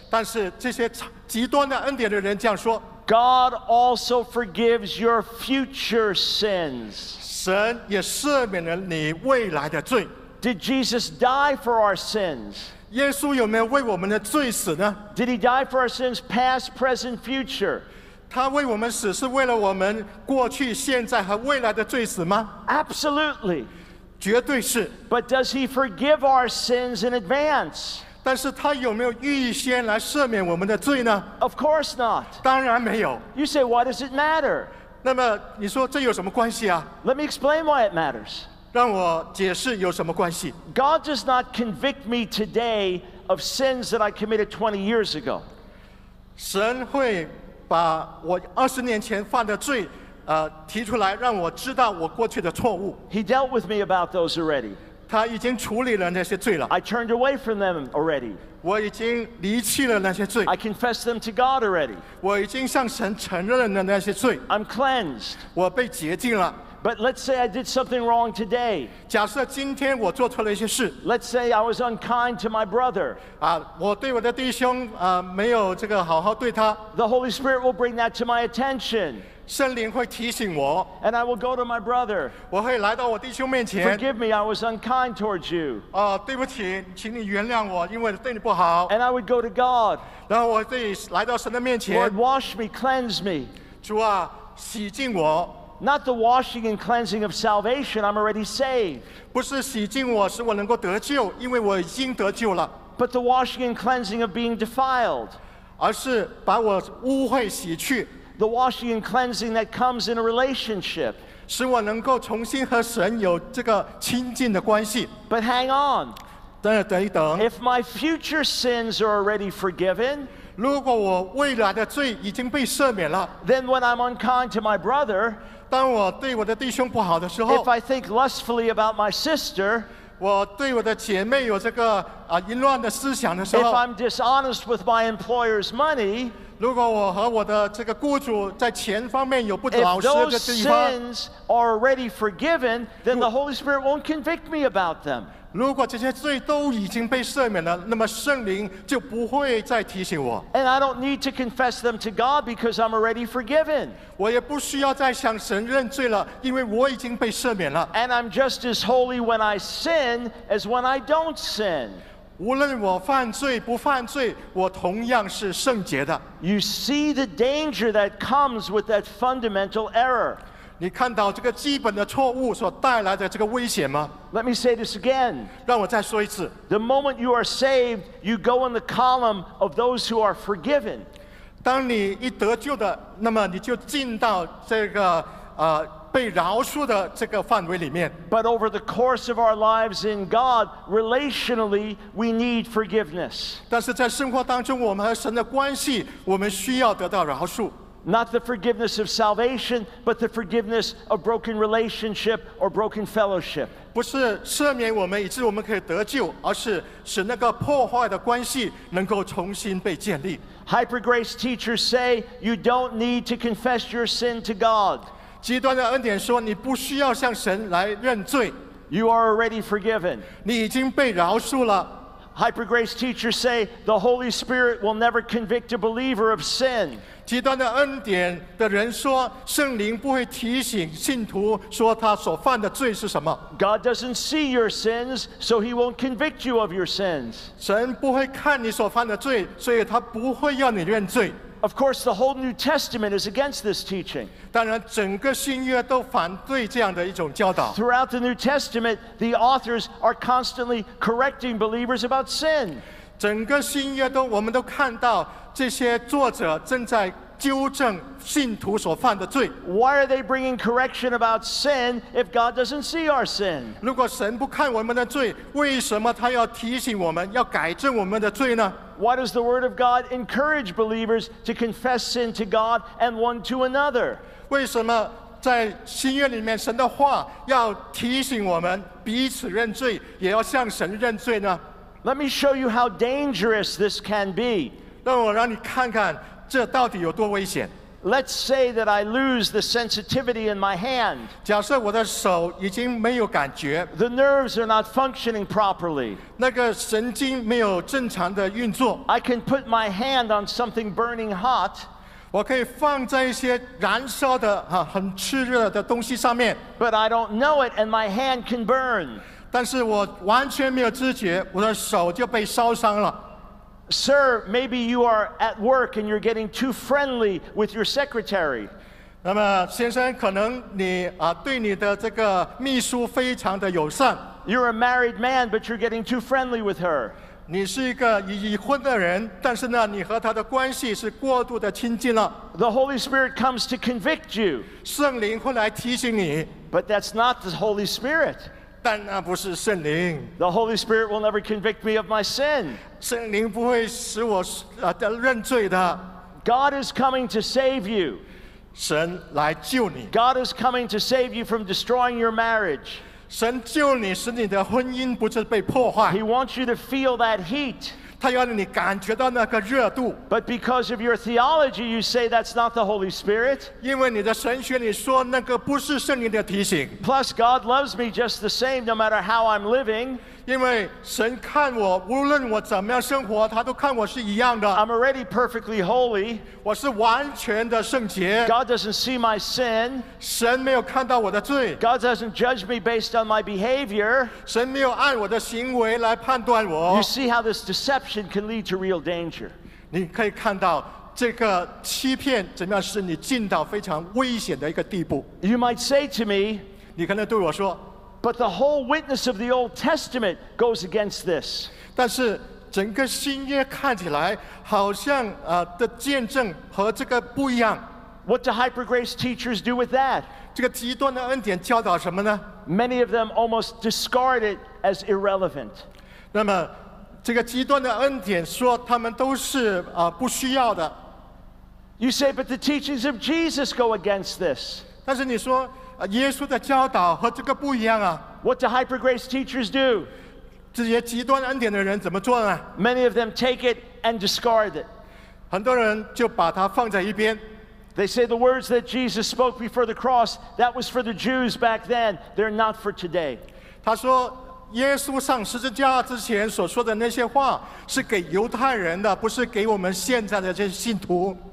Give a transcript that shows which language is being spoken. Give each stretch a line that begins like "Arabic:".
Chinese: 但是这些极端的恩典的人这样说。
English: God also forgives your future sins.
Chinese: 神也赦免了你未来的罪。
English: Did Jesus die for our sins?
Chinese: 耶稣有没有为我们的罪死呢？
English: Did he die for our sins past, present, future?
Chinese: 他为我们死是为了我们过去、现在和未来的罪死吗？
English: Absolutely.
Chinese: 绝对是。
English: But does he forgive our sins in advance?
Chinese: 但是他有没有预先来赦免我们的罪呢？
English: Of course not.
Chinese: 当然没有。
English: You say, why does it matter?
Chinese: 那么你说这有什么关系啊？
English: Let me explain why it matters.
Chinese: 让我解释有什么关系。
English: God does not convict me today of sins that I committed 20 years ago.
Chinese: 神会把我20年前犯的罪，提出来，让我知道我过去的错误。
English: He dealt with me about those already.
Chinese: 他已经处理了那些罪了。
English: I turned away from them already.
Chinese: 我已经离弃了那些罪。
English: I confessed them to God already.
Chinese: 我已经向神承认了那些罪。
English: I'm cleansed.
Chinese: 我被洁净了。
English: But let's say I did something wrong today.
Chinese: 假设今天我做错了一些事。
English: Let's say I was unkind to my brother.
Chinese: 我对我的弟兄没有这个好好对他。
English: The Holy Spirit will bring that to my attention.
Chinese: 圣灵会提醒我。
English: And I will go to my brother.
Chinese: 我会来到我弟兄面前。
English: Forgive me, I was unkind towards you.
Chinese: 对不起，请你原谅我，因为对你不好。
English: And I would go to God.
Chinese: 然后我自己来到神的面前。
English: Lord, wash me, cleanse me.
Chinese: 主啊，洗净我。
English: Not the washing and cleansing of salvation, I'm already saved.
Chinese: 不是洗净我，使我能够得救，因为我已经得救了。
English: But the washing and cleansing of being defiled.
Chinese: 而是把我污秽洗去。
English: The washing and cleansing that comes in a relationship.
Chinese: 使我能够重新和神有这个亲近的关系。
English: But hang on.
Chinese: 等一等。
English: If my future sins are already forgiven,
Chinese: 如果我未来的罪已经被赦免了，
English: then when I'm unkind to my brother,
Chinese: 当我对我的弟兄不好的时候，
English: if I think lustfully about my sister,
Chinese: 我对我的姐妹有这个淫乱的思想的时候，
English: if I'm dishonest with my employer's money,
Chinese: 如果我和我的这个雇主在钱方面有不老实的地方，
English: If those sins are already forgiven, then the Holy Spirit won't convict me about them.
Chinese: 如果这些罪都已经被赦免了，那么圣灵就不会再提醒我。
English: And I don't need to confess them to God because I'm already forgiven.
Chinese: 我也不需要再向神认罪了，因为我已经被赦免了。
English: And I'm just as holy when I sin as when I don't sin.
Chinese: 无论我犯罪不犯罪，我同样是圣洁的。
English: You see the danger that comes with that fundamental error.
Chinese: 你看到这个基本的错误所带来的这个危险吗？
English: Let me say this again.
Chinese: 让我再说一次。
English: The moment you are saved, you go in the column of those who are forgiven.
Chinese: 当你一得救的，那么你就进到这个被饶恕的这个范围里面。
English: But over the course of our lives in God, relationally, we need forgiveness.
Chinese: 但是在生活当中，我们和神的关系，我们需要得到饶恕。
English: Not the forgiveness of salvation, but the forgiveness of broken relationship or broken fellowship.
Chinese: 不是赦免我们以致我们可以得救，而是使那个破坏的关系能够重新被建立。
English: Hypergrace teachers say you don't need to confess your sin to God.
Chinese: 极端的恩典说你不需要向神来认罪。
English: You are already forgiven.
Chinese: 你已经被饶恕了。
English: Hypergrace teachers say the Holy Spirit will never convict a believer of sin.
Chinese: 极端的恩典的人说圣灵不会提醒信徒说他所犯的罪是什么。
English: God doesn't see your sins, so he won't convict you of your sins.
Chinese: 神不会看你所犯的罪，所以他不会要你认罪。
English: Of course, the whole New Testament is against this teaching.
Chinese: 当然，整个新约都反对这样的一种教导。
English: Throughout the New Testament, the authors are constantly correcting believers about sin.
Chinese: 整个新约都，我们都看到这些作者正在纠正信徒所犯的罪。
English: Why are they bringing correction about sin if God doesn't see our sin?
Chinese: 如果神不看我们的罪，为什么他要提醒我们，要改正我们的罪呢？
English: Why does the Word of God encourage believers to confess sin to God and one to another?
Chinese: 为什么在新约里面神的话要提醒我们彼此认罪，也要向神认罪呢？
English: Let me show you how dangerous this can be.
Chinese: 让我让你看看这到底有多危险。
English: Let's say that I lose the sensitivity in my hand.
Chinese: 假设我的手已经没有感觉。
English: The nerves are not functioning properly.
Chinese: 那个神经没有正常的运作。
English: I can put my hand on something burning hot.
Chinese: 我可以放在一些燃烧的很炽热的东西上面。
English: But I don't know it and my hand can burn.
Chinese: 但是我完全没有知觉，我的手就被烧伤了。
English: Sir, maybe you are at work and you're getting too friendly with your secretary.
Chinese: 那么先生，可能你对你的这个秘书非常的友善。
English: You're a married man, but you're getting too friendly with her.
Chinese: 你是一个已婚的人，但是呢，你和她的关系是过度的亲近了。
English: The Holy Spirit comes to convict you.
Chinese: 圣灵会来提醒你。
English: But that's not the Holy Spirit.
Chinese: 但那不是圣灵。
English: The Holy Spirit will never convict me of my sin.
Chinese: 圣灵不会使我认罪的。
English: God is coming to save you.
Chinese: 神来救你。
English: God is coming to save you from destroying your marriage.
Chinese: 神救你，使你的婚姻不是被破坏。
English: He wants you to feel that heat.
Chinese: 他要你感觉到那个热度。
English: But because of your theology, you say that's not the Holy Spirit.
Chinese: 因为你的神学，你说那个不是圣灵的提醒。
English: Plus, God loves me just the same, no matter how I'm living.
Chinese: 因为神看我，无论我怎么样生活，他都看我是一样的。
English: I'm already perfectly holy.
Chinese: 我是完全的圣洁。
English: God doesn't see my sin.
Chinese: 神没有看到我的罪。
English: God doesn't judge me based on my behavior.
Chinese: 神没有按我的行为来判断我。
English: You see how this deception can lead to real danger.
Chinese: 你可以看到这个欺骗怎么样使你进到非常危险的一个地步。
English: You might say to me,
Chinese: 你可能对我说，
English: But the whole witness of the Old Testament goes against this.
Chinese: 但是整个新约看起来好像的见证和这个不一样。
English: What do hypergrace teachers do with that?
Chinese: 这个极端的恩典教导什么呢？
English: Many of them almost discard it as irrelevant.
Chinese: 那么这个极端的恩典说他们都是不需要的。
English: You say, but the teachings of Jesus go against this.
Chinese: 但是你说耶稣的教导和这个不一样啊。
English: What do hypergrace teachers do?
Chinese: 这些极端恩典的人怎么做呢？
English: Many of them take it and discard it.
Chinese: 很多人就把它放在一边。
English: They say the words that Jesus spoke before the cross, that was for the Jews back then. They're not for today.
Chinese: 他说耶稣上十字架之前所说的那些话是给犹太人的，不是给我们现在的这些信徒。